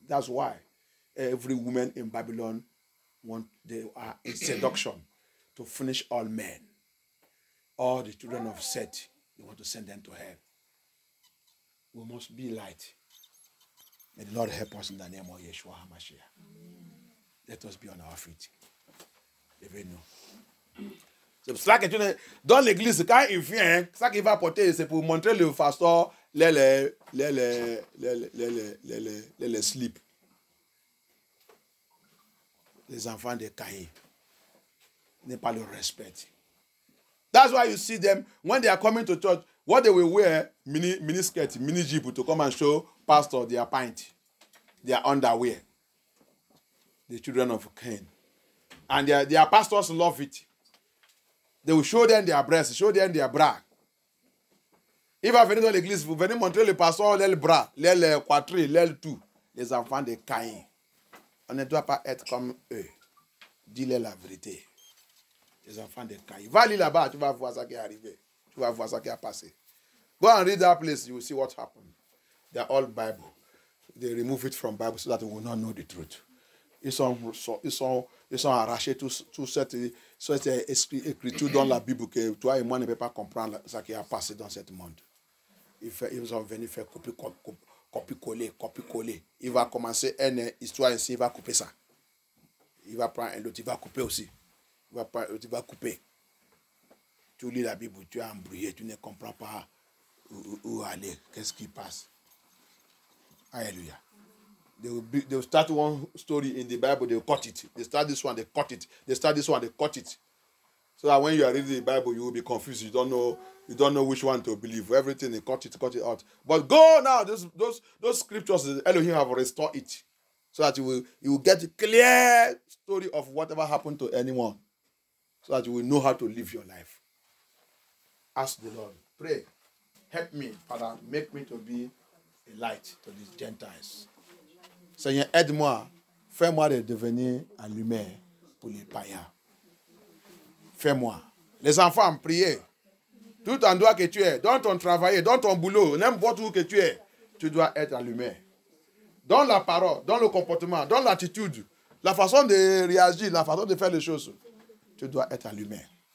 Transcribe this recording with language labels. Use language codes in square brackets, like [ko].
[en] That's why every woman in Babylon want they are in seduction to finish all men. All the children of Seth, they want to send them to hell. We must be light. May the Lord help us in the name of Yeshua HaMashiach. Let us be on our feet. If we know. [fr] C'est ça que tu dans l'église, quand il vient, ça qu'il va porter, c'est pour montrer le pasteur les slips. Les enfants de Caïn n'ont pas le respect. [en] That's why you see them, when they are coming to church, what they will wear, mini skirt, mini jeep, to come and show pastor their pint, their underwear. The children of Cain. And their pastors love it. They will show them their breasts, show them their bra. If I [fr] venez dans l'église, vous venez montrer le pasteur, les bras, les quatre, les tout. Les enfants de Caïn. On ne doit pas être comme eux. Dis-les la vérité. Les enfants de Caïn. Va aller là-bas, tu vas voir ça qui est arrivé. Tu vas voir ça qui a passé. [en] Go and read that place, you will see what happened. They're all Bible. They remove it from Bible so that we will not know the truth. [fr] Ils sont arrachés toute cette écriture dans la Bible que toi et moi ne peux pas comprendre ce qui a passé dans ce monde. Ils sont venus faire copier-coller. Il va commencer une histoire ici, il va couper ça. Il va prendre un autre, il va couper aussi. Il va prendre un autre, il va couper. Tu lis la Bible, tu es embrouillé, tu ne comprends pas où aller, qu'est-ce qui passe. Alléluia. [en] They will start one story in the Bible, they will cut it. They start this one, they cut it. They start this one, they cut it. So that when you are reading the Bible, you will be confused. You don't know which one to believe. Everything, they cut it out. But go now, those scriptures, Elohim have restored it. So that you will get a clear story of whatever happened to anyone. So that you will know how to live your life. Ask the Lord, pray, help me, Father, make me to be a light to these Gentiles. [fr] Seigneur, aide-moi, fais-moi de devenir un lumière pour les païens. Fais-moi. Les enfants, priez. Tout endroit que tu es, dans ton travail, dans ton boulot, n'importe où que tu es, tu dois être un lumière. Dans la parole, dans le comportement, dans l'attitude, la façon de réagir, la façon de faire les choses, tu dois être un lumière.